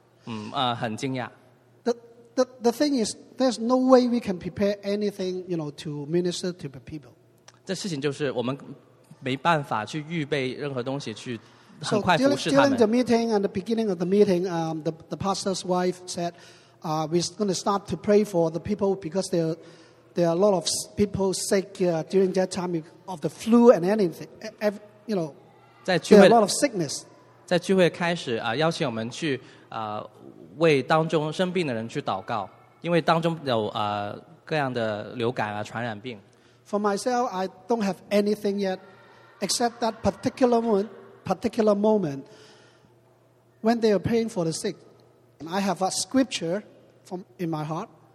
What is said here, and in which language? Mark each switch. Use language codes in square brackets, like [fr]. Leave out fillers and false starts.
[zh] 在午饭的时候，曼黑手他的肚子很不舒服，因为他很紧张，没有那么坏，反正就是要寻求神，但是有点紧张，很惊讶。The [en] thing is, there's no way we can prepare anything, you know, to minister to the people. [zh] 这事情就是我们没办法去预备任何东西去很快服侍他们。 [en] So during the meeting and the beginning of the meeting, the pastor's wife said, we're going to start to pray for the people because there are a lot of people sick during that time of the flu and anything. You know, [zh] 在聚会, [en] there are a lot of sickness. [zh] 在聚会开始, 邀请我们去, 为当中生病的人去祷告, 因为当中有, 各样的流感啊, 传染病。 [en] For myself, I don't have anything yet, except that particular moment when they are praying for the sick. And I have a scripture in my heart.